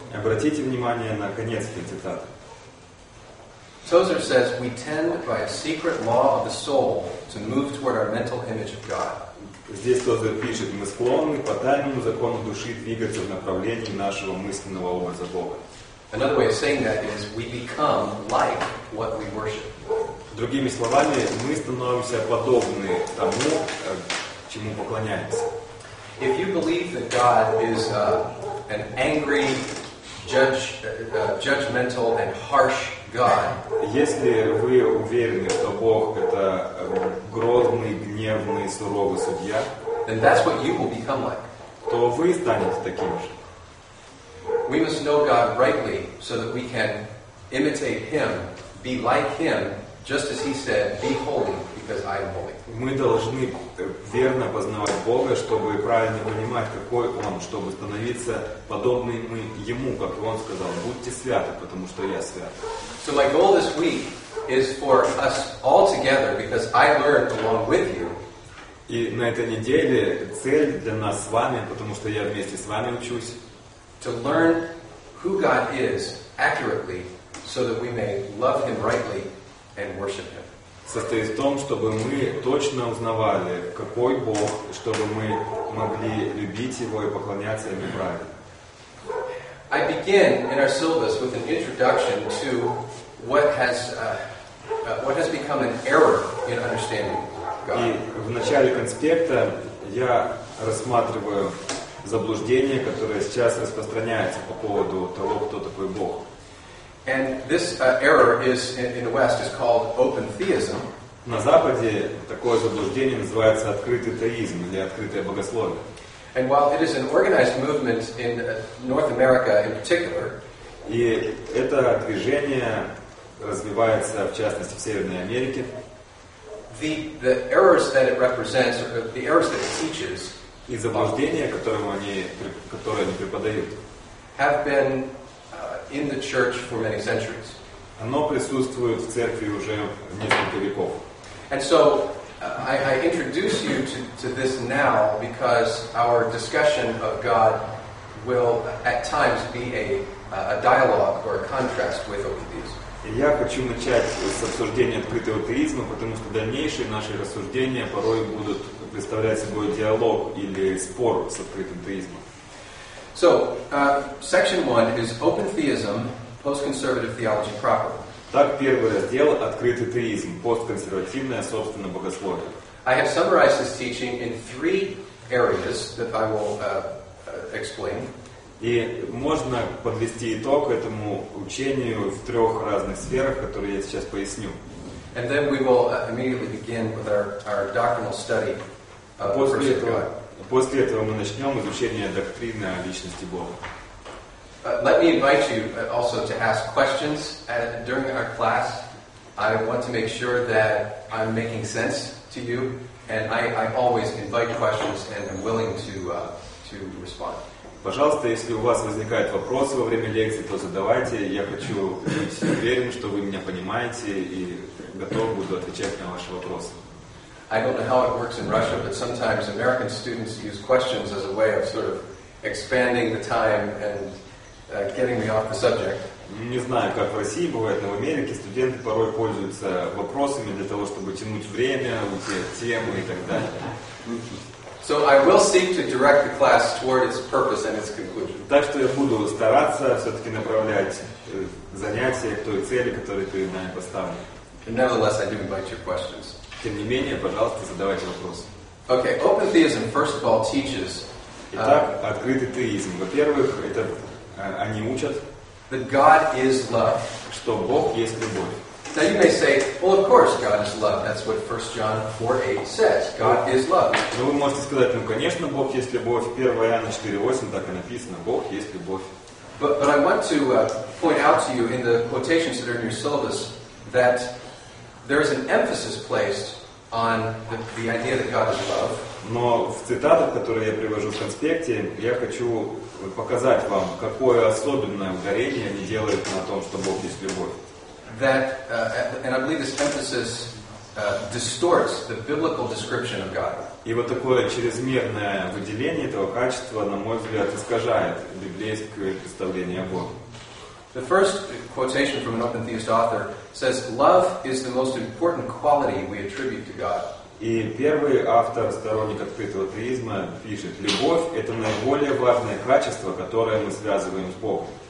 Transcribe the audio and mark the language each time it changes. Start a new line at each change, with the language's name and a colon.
Russian: Обратите внимание на конец этой цитаты.
English: Tozer says we tend by a secret law of the soul to move toward our mental image of God.
Russian: Здесь Тозер пишет, мы склонны по тайному закону души двигаться в направлении нашего мысленного образа Бога.
English: Another way of saying that is we become like what we worship.
Russian: Другими словами, мы становимся подобны тому, чему поклоняемся.
English: If you believe that God is an angry, judgmental and harsh God,
Russian: если вы уверены, что Бог это грозный, гневный, суровый судья,
English: then that's what you will become like.
Russian: То вы станете таким же.
English: We must know God rightly so that we can imitate Him, be like Him, just as He said, be holy, because I am holy.
Russian: Мы должны верно познавать Бога, чтобы правильно понимать, какой Он, чтобы становиться подобными Ему, как Он сказал, будьте святы, потому что Я свят.
English: So my goal this week is for us all together, because I learned along with you.
Russian: И на этой неделе цель для нас с вами, потому что я вместе с вами учусь.
English: To learn who God is accurately, so that we may love Him rightly and worship Him.
Russian: Состоит в том, чтобы мы точно узнавали, какой Бог, чтобы мы могли любить Его и поклоняться Ему правильно.
English: I begin in our syllabus with an introduction to what has become an error in understanding God.
Russian: И в начале конспекта я рассматриваю заблуждение, которое сейчас распространяется по поводу того, кто такой Бог.
English: And this error is in the West is called open theism.
Russian: На Западе такое заблуждение называется открытый теизм или открытое богословие.
English: And while it is an organized movement in North America in particular,
Russian: и это движение развивается в частности в Северной Америке.
English: The errors that it represents, or the errors that it teaches,
Russian: и заблуждения, которые они преподают,
English: have been in the church for many centuries.
Russian: Оно присутствует в церкви уже несколько веков.
English: And so I introduce you to this now because our discussion of God will at times be a dialogue or a contrast with open theism.
Russian: Я хочу начать с обсуждения открытого теизма, потому что дальнейшие наши рассуждения порой будут представлять собой диалог или спор с открытым теизмом.
English: So, section 1 is open theism, post-conservative theology proper.
Russian: Так, первый раздел – открытый теизм, постконсервативное, собственно, богословие.
English: I have summarized this teaching in three areas that I will explain.
Russian: И можно подвести итог этому учению в трех разных сферах, которые я сейчас поясню.
English: And then we will immediately begin with our doctrinal study of the person of God.
Russian: После этого мы начнем изучение доктрины о личности Бога.
English: Let me invite you also to ask questions during our class. I want to make sure that I'm making sense to you, and I always invite questions and am willing to respond.
Russian: Пожалуйста, если у вас возникают вопросы во время лекции, то задавайте. Я хочу быть уверен, что вы меня понимаете и готов буду отвечать на ваши вопросы.
English: I don't know how it works in Russia, but sometimes American students use questions as a way of sort of expanding the time and getting me off the subject.
Russian: Не знаю, как в России бывает, но в Америке студенты порой пользуются вопросами для того, чтобы тянуть время, уйти от темы и так далее.
English: So I will seek to direct the class toward its purpose and its conclusion.
Russian: Так что я буду стараться все-таки направлять занятия к той цели, которая перед нами поставлена.
English: And nevertheless, I do invite your questions.
Russian: Тем не менее, пожалуйста, задавайте вопросы.
English: Okay, open theism first of all teaches.
Russian: Итак, открытый теизм. Во-первых, это они учат,
English: that God is love.
Russian: Что Бог есть любовь.
English: Now you may say, well, of course, God is love. That's what 1 John 4:8 says. God is love.
Russian: Ну, вы можете сказать, ну, конечно, Бог есть любовь. 1 Иоанна 4:8 так и написано. Бог есть любовь.
English: But I want to point out to you in the quotations that are in your syllabus that there is an emphasis placed on the idea that God is love.
Russian: Но в цитатах, которые я привожу в конспекте, я хочу показать вам, какое особенное ударение они делают на том, что Бог есть любовь.
English: That and I believe this emphasis distorts the biblical description of God.
Russian: И вот такое чрезмерное выделение этого качества, на мой взгляд, искажает библейское представление о Боге.
English: The first quotation from an open theist author says, "Love is the most important quality we attribute to God."
Russian: И первый автор, сторонник открытого теизма, пишет: "Любовь — это наиболее важное качество, которое мы связываем с Богом."